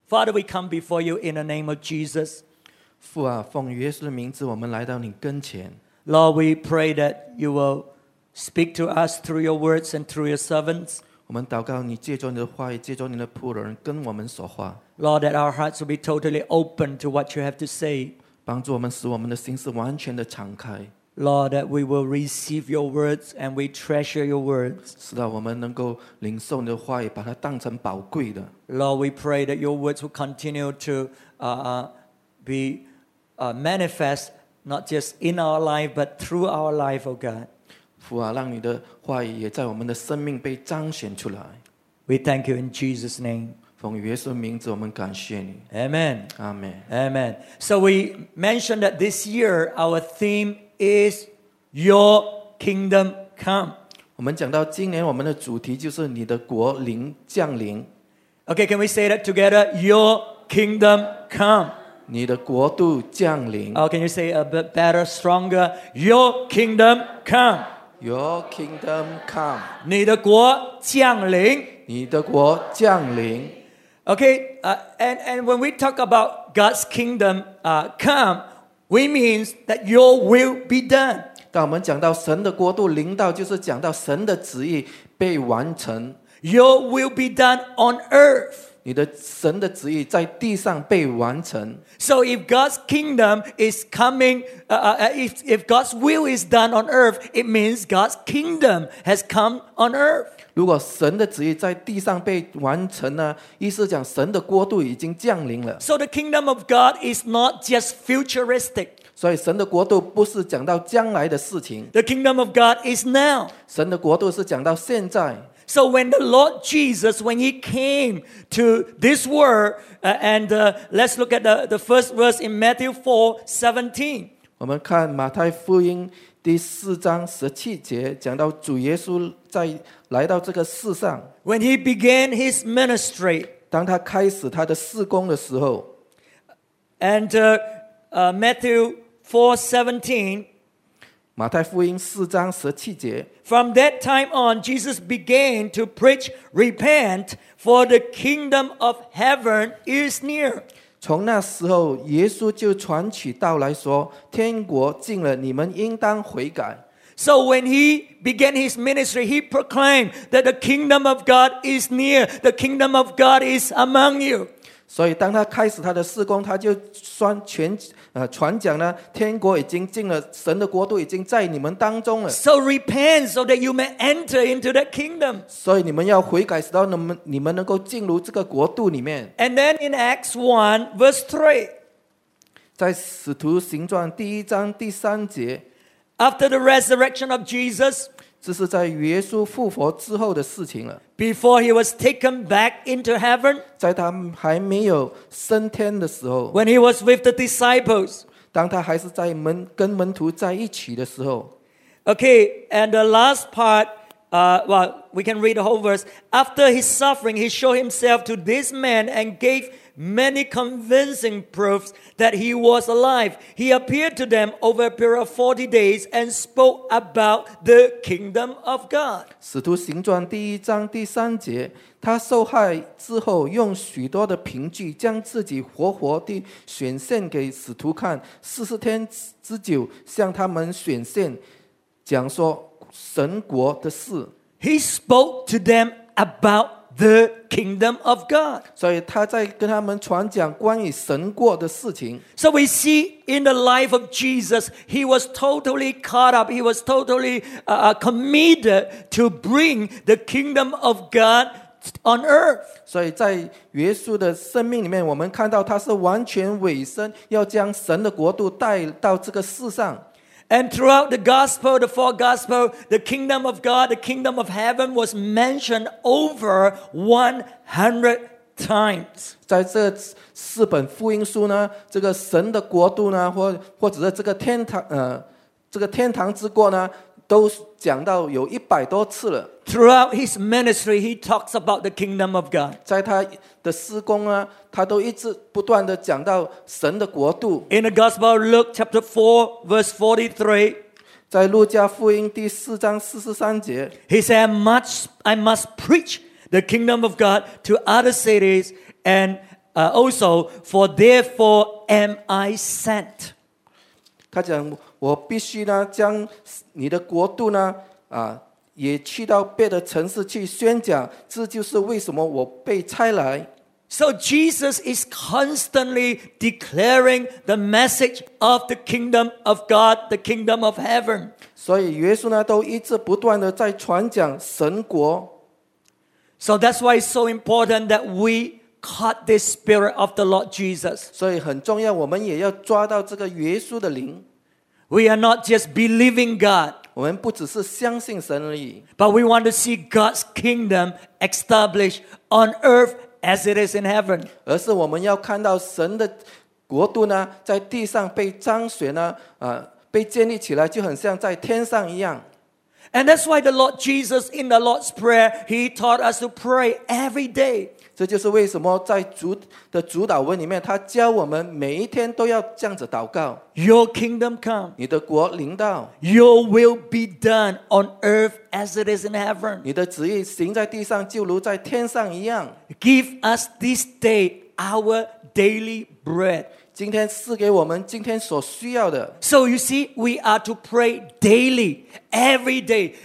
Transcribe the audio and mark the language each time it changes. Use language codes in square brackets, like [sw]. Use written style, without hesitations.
[en] Father, we come before you in the name of Jesus. [zh] 父啊，奉耶稣的名字，我们来到你跟前。 [en] Lord, we pray that you will speak to us through your words and through your servants. [zh] 我们祷告你借着你的话语，借着你的仆人跟我们说话。 [en] Lord, that our hearts will be totally open to what you have to say. [zh] 帮助我们使我们的心是完全的敞开。 [en] Lord, that we will receive your words and we treasure your words. [zh] 使到我们能够领受你的话语，把它当成宝贵的。 [en] Lord, we pray that your words will continue to be manifest not just in our life but through our life, O God. [zh] 父啊，让你的话语也在我们的生命被彰显出来。 [en] We thank you in Jesus' name. [zh] 奉耶稣名字，我们感谢你。 [en] Amen. Amen. Amen. So we mentioned that this year our theme. Is your kingdom come? [zh] 我们讲到今年我们的主题就是你的国临降临。 [en] Okay, can we say that together? Your kingdom come. [zh] 你的国度降临。 [en] Oh, can you say a bit better, stronger? Your kingdom come. Your kingdom come. [zh] 你的国降临。你的国降临。 [en] Okay, and when we talk about God's kingdom, come. We means that your will be done. [zh] 当我们讲到神的国度临到，就是讲到神的旨意被完成。 [en] Your will be done on earth. [zh] 你的神的旨意在地上被完成。 [en] So if God's kingdom is coming, if God's will is done on earth, it means God's kingdom has come on earth. [zh] 如果神的旨意在地上被完成呢，意思讲神的国度已经降临了。 [en] So the kingdom of God is not just futuristic. [zh] 所以神的国度不是讲到将来的事情。 [en] The kingdom of God is now. [zh] 神的国度是讲到现在。 [en] So when the Lord Jesus, when he came to this world, and let's look at the first verse in Matthew 4:17. [zh] 我们看马太福音第四章十七节，讲到主耶稣在来到这个世上。 [en] When he began his ministry, [zh] 当他开始他的事工的时候 [en] ，and Matthew 4:17, [zh] 马太福音四章十七节。 [en] From that time on, Jesus began to preach, "Repent, for the kingdom of heaven is near." [zh] 从那时候，耶稣就传起道来说：“天国近了，你们应当悔改。” [en] So when he began his ministry, he proclaimed that the kingdom of God is near. The kingdom of God is among you. [zh] 所以当他开始他的事工，他就传讲呢，天国已经进了，神的国度已经在你们当中了。 [en] So repent so that you may enter into that kingdom. [zh] 所以你们要悔改，使到你们能够进入这个国度里面。 [en] And then in Acts 1 verse 3, [zh] 在使徒行传第一章第三节。 [en] After the resurrection of Jesus, [zh] 这是在耶稣复活之后的事情了。 [en] Before he was taken back into heaven, [zh] 在他还没有升天的时候。 [en] When he was with the disciples, [zh] 当他还是在跟门徒在一起的时候。 [en] Okay, and the last part, we can read the whole verse. After his suffering, he showed himself to this man and gave many convincing proofs that he was alive. He appeared to them over a period of 40 days and spoke about the kingdom of God. [zh] 使徒行传第一章第三节，他受害之后，用许多的凭据将自己活活地显现给使徒看，40天之久向他们显现，讲说神国的事。 [en] He spoke to them about the kingdom of God. [zh] 所以他在跟他们传讲关于神国的事情。 [en] So we see in the life of Jesus, he was totally caught up, he was totally committed to bring the kingdom of God on earth. [zh] 所以在耶稣的生命里面，我们看到他是完全委身，要将神的国度带到这个世上。 [en] And throughout the gospel, the four gospels, the kingdom of God, the kingdom of heaven was mentioned over 100 times. [zh] 在这四本福音书呢，这个神的国度呢，或者是这个天堂，这个天堂之国呢，都讲到有一百多次了。 [en] Throughout his ministry, he talks about the kingdom of God. [zh] 在他的施工啊，他都一直不断的讲到神的国度。 [en] In the Gospel of Luke chapter 4:43, [zh] 在路加福音第四章四十三节 [en] ，He said, "I must preach the kingdom of God to other cities and also, for therefore am I sent. [zh] 他讲我必须呢将你的国度呢也去到别的城市去宣讲，这就是为什么我被差来。 [en] So Jesus is constantly declaring the message of the kingdom of God, the kingdom of heaven. [zh] 所以耶稣呢都一直不断的在传讲神国。 [en] So that's why it's so important that we caught this spirit of the Lord Jesus. [zh] 所以很重要，我们也要抓到这个耶稣的灵。 [en] We are not just believing God. [zh] 我们不只是相信神而已。 [en] But we want to see God's kingdom established on earth. As it is in heaven. [zh] 而是我们要看到神的国度呢，在地上被彰显呢，被建立起来，就很像在天上一样。 [en] And that's why the Lord Jesus in the Lord's Prayer, He taught us to pray every day. [zh] 这就是为什么在主的主导文里面，他教我们每一天都要这样子祷告。 [en] Your kingdom come. [zh] 你的国临到。 [en] Your will be done on earth as it is in heaven. [zh] 你的旨意行在地上，就如在天上一样。 [en] Give us this day our daily bread. [zh] 今天赐给我们今天所需要的。 [en] So you see, we are to pray daily, every day.